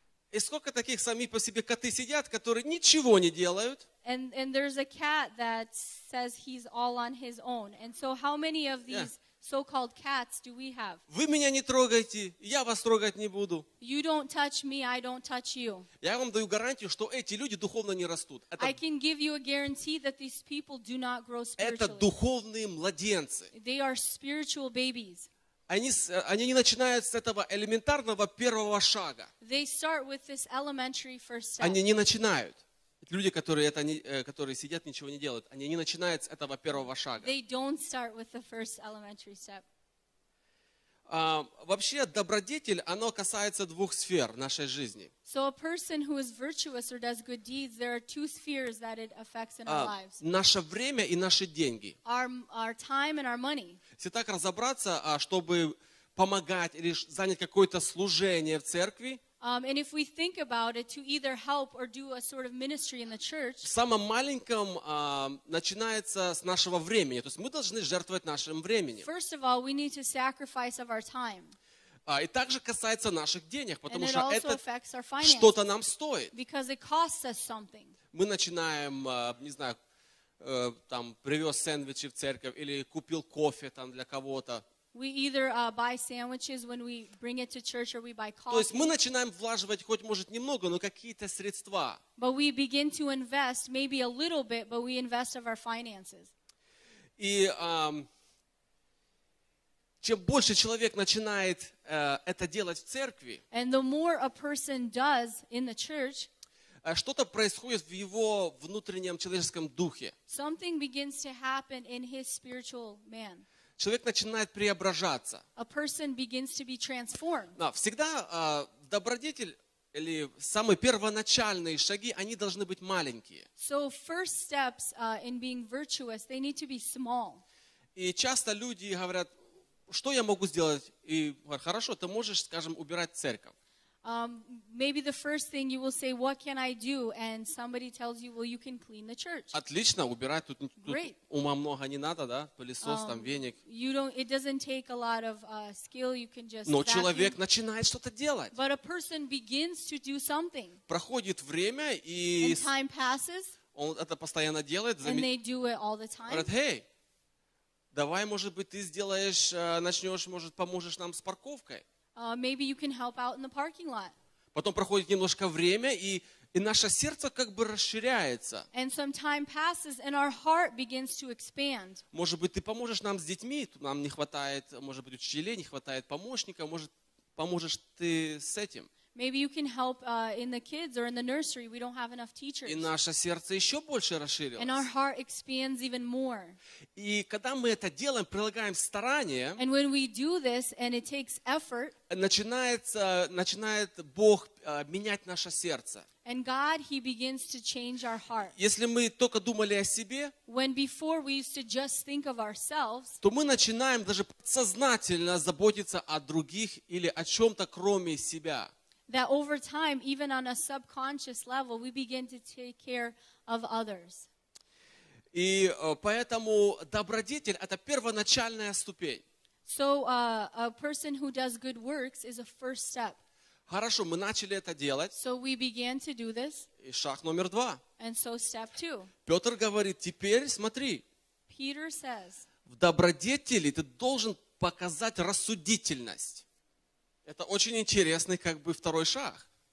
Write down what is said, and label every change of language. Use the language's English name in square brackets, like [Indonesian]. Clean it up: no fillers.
[Russian] И сколько таких сами по себе коты сидят, которые ничего не делают? [English] And there's a cat that says he's all on his own. And so how many of these so-called cats do we have? [Russian] Вы меня не трогайте, я вас трогать не буду. [English] You don't touch me, I don't touch you. [Russian] Я вам даю гарантию, что эти люди духовно не растут. [English] I can give you a guarantee that these people do not grow spiritually. [Russian] Это духовные младенцы. [English] They are spiritual babies. [Russian] Они не начинают с этого элементарного первого шага. [English] They start with this elementary first step. [Russian] Они не начинают. Люди, которые сидят, ничего не делают, они не начинают с этого первого шага. [English] They don't start with the first elementary step. [Russian] Вообще, добродетель, оно касается двух сфер нашей жизни. [English] So a person who is virtuous or does good deeds, there are two spheres that it affects in our lives. [Russian] Наше время и наши деньги. [English] Our time and our money. [Russian] Если так разобраться, чтобы помогать или занять какое-то служение в церкви, [English] And if we think about it, to either help or do a sort of ministry in the church, [Russian] в самом маленьком начинается с нашего времени. То есть мы должны жертвовать нашим временем. [English] First of all, we need to sacrifice of our time. [Russian] И также касается наших денег, потому что это что-то нам стоит. [English] Because it costs us something. [Russian] Мы начинаем, не знаю, там привез сэндвичи в церковь или купил кофе там для кого-то. [English] We either buy sandwiches when we bring it to church or we buy coffee. [Russian] То есть мы начинаем вложивать хоть может немного, но какие-то средства. [English] But we begin to invest maybe a little bit, but we invest of our finances. [Russian] И чем больше человек начинает это делать в церкви, [English] And the more a person does in the church, [Russian] что-то происходит в его внутреннем человеческом духе. [English] Something begins to happen in his spiritual man. [Russian] Человек начинает преображаться. [English] A person begins to be transformed. [Russian] Но всегда добродетель или самые первоначальные шаги, они должны быть маленькие. [English] So first steps in being virtuous, they need to be small. [Russian] И часто люди говорят, что я могу сделать? И говорят, хорошо, ты можешь, скажем, убирать церковь. [English] Maybe the first thing you will say, what can I do? And somebody tells you, well, you can clean the church. [Russian] Отлично, убирать тут ума много не надо, да? Пылесос, там веник. [English] It doesn't take a lot of skill. You can just. [Russian] Но человек начинает что-то делать. [English] But a person begins to do something. [Russian] Проходит время и. [English] And time passes. [Russian] Он это постоянно делает. [English] And they do it all the time. [Russian] Говорят, [English] hey, [Russian] давай, может быть, ты сделаешь, начнешь, может, поможешь нам с парковкой. [English] Maybe you can help out in the parking lot. [Russian] Потом проходит немножко время, и наше сердце как бы расширяется. [English] And some time passes, and our heart begins to expand. [Russian] Может быть, ты поможешь нам с детьми? Нам не хватает, может быть, учителей, не хватает помощника. Может, поможешь ты с этим? [English] Maybe you can help in the kids or in the nursery. We don't have enough teachers. [Russian] И наше сердце еще больше расширилось. [English] And our heart expands even more. [Russian] И когда мы это делаем, прилагаем старание, [English] and when we do this and it takes effort, [Russian] начинает Бог менять наше сердце. [English] And God, He begins to change our heart. [Russian] Если мы только думали о себе, [English] when before we used to just think of ourselves, [Russian] то мы начинаем даже подсознательно заботиться о других или о чем-то кроме себя. [English] That over time, even on a subconscious level, we begin to take care of others. [Russian] И поэтому добродетель — это первоначальная ступень. [English] So a person who does good works is a first step. [Russian] Хорошо, мы начали это делать. [English] So we began to do this. [Russian] И шаг номер два. [English] And so step two. [Russian] Петр говорит, теперь смотри. [English] Peter says. [Russian] В добродетели ты должен показать рассудительность. Это очень интересный, как бы, второй шаг.